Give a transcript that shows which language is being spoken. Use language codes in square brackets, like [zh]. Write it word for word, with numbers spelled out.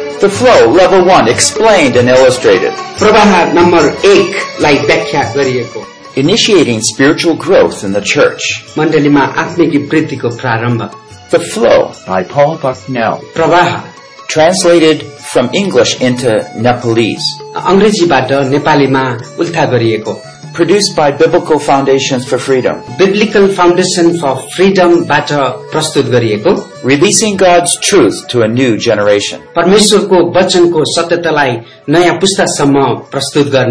[en] The flow, level one, explained and illustrated. [ne] प्रवाह number एक लाई व्याख्या गरिएको। [en] Initiating spiritual growth in the church. [ne] मण्डलीमा आत्मिक वृद्धिको प्रारम्भ। [en] The flow by Paul Bucknell. [ne] प्रवाह [en] translated from English into Nepalese. [ne] अंग्रेजीबाट नेपालीमा उल्था गरिएको। [en] Produced by Biblical Foundations for Freedom. [ne] Biblical Foundation for Freedom बाट प्रस्तुत गरिएको। [en] Releasing God's truth to a new generation. [ne] परमेश्वरको वचनको सत्यतालाई नयाँ पुस्तासम्म प्रस्तुत गर्ने।